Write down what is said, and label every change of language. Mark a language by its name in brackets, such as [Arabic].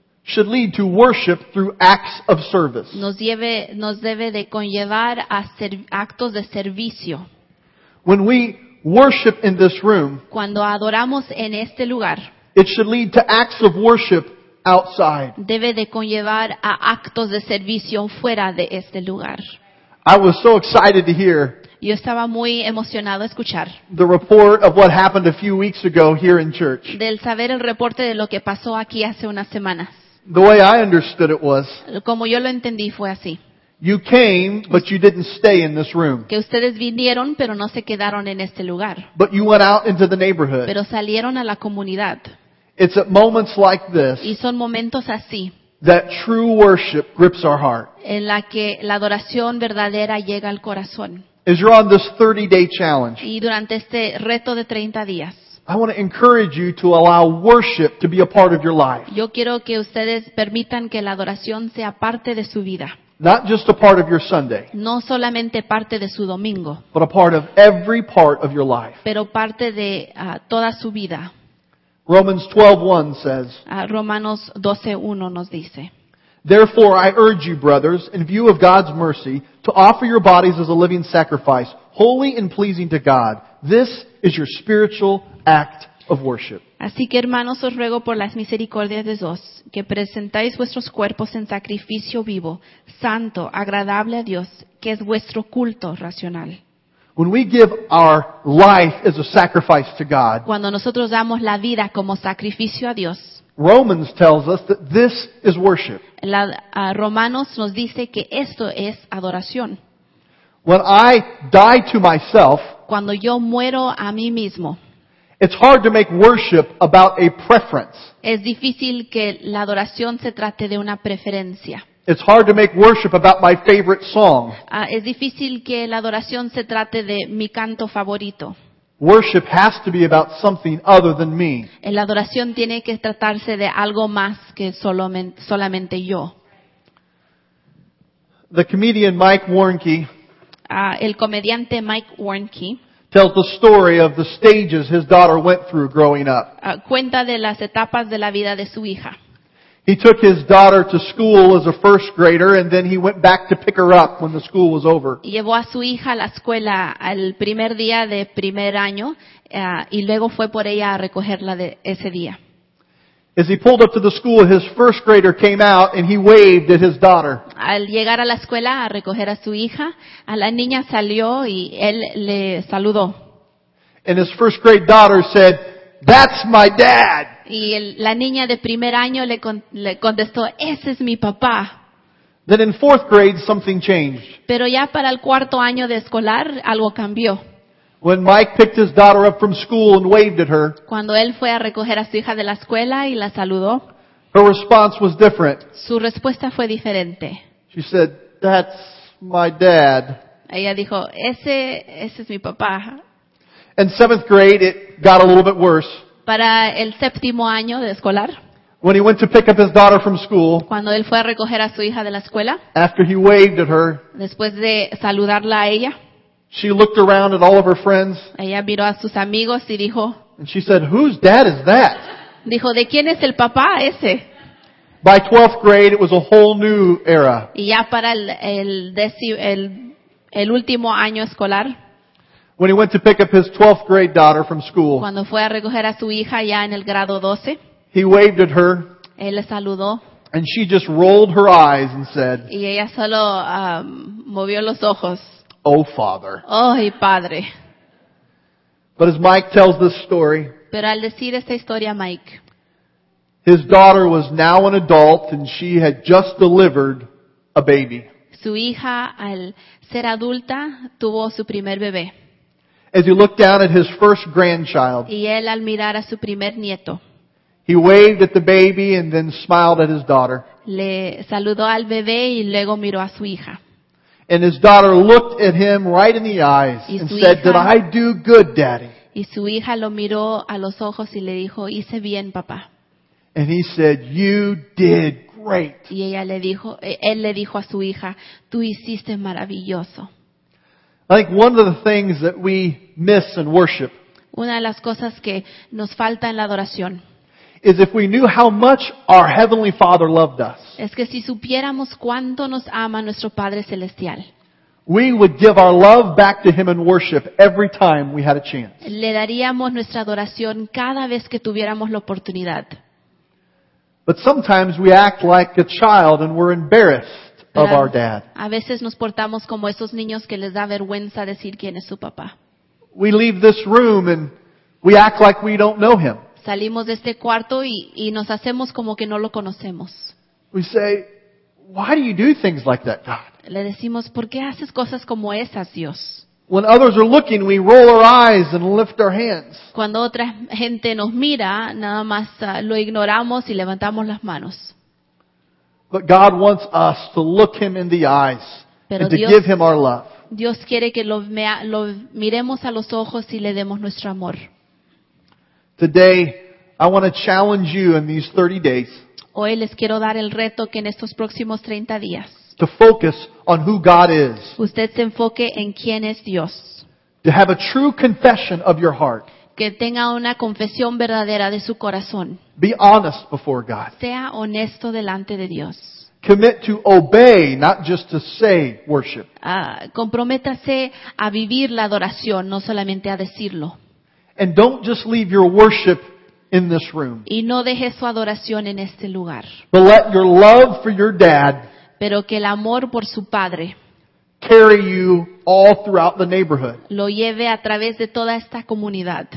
[English] should lead to worship through acts of service. [Spanish] Nos debe de conllevar a actos de servicio. [English] When we worship in this room, [Spanish] cuando adoramos en este lugar, [English] it should lead to acts of worship outside. [Spanish] Debe de conllevar a actos de servicio fuera de este lugar. [English] I was so excited to hear. [Spanish] Yo estaba muy emocionado a escuchar. [English] The report of what happened a few weeks ago here in church. [Spanish] Del saber el reporte de lo que pasó aquí hace unas semanas. [English] The way I understood it was. [Spanish] Como yo lo entendí fue así. [English] You came, but you didn't stay in this room. [Spanish] Que ustedes vinieron, pero no se quedaron en este lugar. [English] But you went out into the neighborhood. [Spanish] Pero salieron a la comunidad. [English] It's at moments like this. [Spanish] Y son momentos así. [English] That true worship grips our heart. [Spanish] En la que la adoración verdadera llega al corazón. [English] As you're on this 30-day challenge. [Spanish] Y durante este reto de 30 días. [English] I want to encourage you to allow worship to be a part of your life. [Spanish] Yo quiero que ustedes permitan que la adoración sea parte de su vida. [English] Not just a part of your Sunday. [Spanish] No solamente parte de su domingo. [English] But a part of every part of your life. [Spanish] Pero parte de toda su vida. [English] Romans 12:1 says. [Spanish] Romanos 12:1 nos dice. [English] "Therefore I urge you, brothers, in view of God's mercy, to offer your bodies as a living sacrifice, holy and pleasing to God. This is your spiritual act of worship." [Spanish] Así que hermanos, os ruego por las misericordias de Dios, que presentáis vuestros cuerpos en sacrificio vivo, santo, agradable a Dios, que es vuestro culto racional. [English] When we give our life as a sacrifice to God, [Spanish] cuando nosotros damos la vida como sacrificio a Dios, [English] Romans tells us that this is worship. [Spanish] Romanos nos dice que esto es adoración. [English] When I die to myself, [Spanish] cuando yo muero a mí mismo, [English] it's hard to make worship about a preference. [Spanish] Es difícil que la adoración se trate de una preferencia. [English] It's hard to make worship about my favorite song. [Spanish] Es difícil que la adoración se trate de mi canto favorito. [English] Worship has to be about something other than me. [Spanish] La adoración tiene que tratarse de algo más que solamente yo. [English] The comedian Mike Warnke, [Spanish] el comediante Mike Warnke, [English] tells the story of the stages his daughter went through growing up. [Spanish] Cuenta de las etapas de la vida de su hija. [English] He took his daughter to school as a first grader, and then he went back to pick her up when the school was over. [Spanish] Llevó a su hija a la escuela al primer día de primer año, y luego fue por ella a recogerla de ese día. [English] As he pulled up to the school, his first grader came out and he waved at his daughter. [Spanish] Al llegar a la escuela a recoger a su hija, a la niña salió y él le saludó. [English] And his first grade daughter said, "That's my dad." [Spanish] Y la niña de primer año le contestó, "Ese es mi papá." [English] Then in fourth grade, something changed. [Spanish] Pero ya para el cuarto año de escolar, algo cambió. [English] When Mike picked his daughter up from school and waved at her, [Spanish] cuando él fue a recoger a su hija de la escuela y la saludó, [English] her response was different. [Spanish] Su respuesta fue diferente. [English] She said, "That's my dad." [Spanish] Ella dijo, ese es mi papá. [English] In seventh grade, it got a little bit worse. [Spanish] Para el séptimo año de escolar, [English] when he went to pick up his daughter from school, [Spanish] cuando él fue a recoger a su hija de la escuela, [English] after he waved at her, [Spanish] después de saludarla a ella, [English] she looked around at all of her friends. [Spanish] Ella miró a sus amigos y dijo, [English] and she said, "Whose dad is that?" [Spanish] Dijo, "¿De quién es el papá ese?" [English] By 12th grade, it was a whole new era. [Spanish] Y ya para el último año escolar, [English] when he went to pick up his 12th grade daughter from school, [Spanish] cuando fue a recoger a su hija ya en el grado 12, [English] he waved at her. [Spanish] Él le saludó. [English] And she just rolled her eyes and said, [Spanish] y ella solo movió los ojos. [English] "Oh, Father." [Spanish] Oh, y padre. [English] But as Mike tells this story, [Spanish] pero al decir esta historia, Mike, [English] his daughter was now an adult and she had just delivered a baby. [Spanish] Su hija, al ser adulta, tuvo su primer bebé. [English] As he looked down at his first grandchild, [Spanish] y él, al mirar a su primer nieto, [English] he waved at the baby and then smiled at his daughter. [Spanish] Le saludó al bebé y luego miró a su hija. [English] And his daughter looked at him right in the eyes and said, "Did I do good, Daddy?" [Spanish] Y su hija lo miró a los ojos y le dijo, "Hice bien, papá." [English] And he said, "You did great." [Spanish] Y ella le dijo, él le dijo a su hija, "Tú hiciste maravilloso." [English] I think one of the things that we miss in worship, [Spanish] una de las cosas que nos falta en la adoración, [English] is if we knew how much our Heavenly Father loved us, [Spanish] es que si supiéramos cuánto nos ama nuestro Padre Celestial, [English] we would give our love back to Him in worship every time we had a chance. [Spanish] Le daríamos nuestra adoración cada vez que tuviéramos la oportunidad. [English] But sometimes we act like a child and we're embarrassed of our dad. [Spanish] A veces nos portamos como esos niños que les da vergüenza decir quién es su papá. [English] We leave this room and we act like we don't know Him. [Spanish] Salimos de este cuarto y nos hacemos como que no lo conocemos. [English] We say, "Why do you do things like that, God?" [Spanish] Le decimos, "¿Por qué haces cosas como esas, Dios?" [English] When others are looking, we roll our eyes and lift our hands. [Spanish] Cuando otra gente nos mira, nada más lo ignoramos y levantamos las manos. [English] But God wants us to look Him in the eyes and to give Him our love. [Spanish] Dios quiere que lo miremos a los ojos y le demos nuestro amor. [English] Today, I want to challenge you in these 30 days. [Spanish] Hoy les quiero dar el reto que en estos próximos 30 días, [English] to focus on who God is. [Spanish] Usted se enfoque en quién es Dios. [English] To have a true confession of your heart. [Spanish] Que tenga una confesión verdadera de su corazón. [English] Be honest before God. [Spanish] Sea honesto delante de Dios. [English] Commit to obey, not just to say worship. [Spanish] Comprométase a vivir la adoración, no solamente a decirlo. [English] And don't just leave your worship in this room. [Spanish] Y no deje su adoración en este lugar. [English] But let your love for your dad, [Spanish] pero que el amor por su padre, [English] carry you all throughout the neighborhood, [Spanish] lo lleve a través de toda esta comunidad,